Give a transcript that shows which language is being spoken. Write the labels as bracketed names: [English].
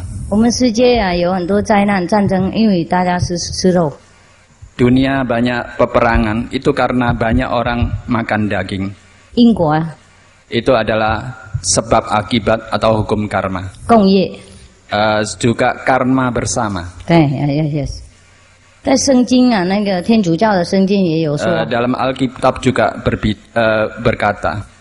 [Chinese] 我们世界啊有很多灾难战争，因为大家是吃肉。 [Indonesian] Dunia banyak peperangan itu karena banyak orang makan daging. [Chinese] 因果啊。 [Indonesian] Itu adalah sebab akibat atau hukum karma. Kongye. Juga karma bersama. [English] Yes. [Chinese] 在圣经啊，那个天主教的圣经也有说。 [Indonesian] Dalam Alkitab juga berkata.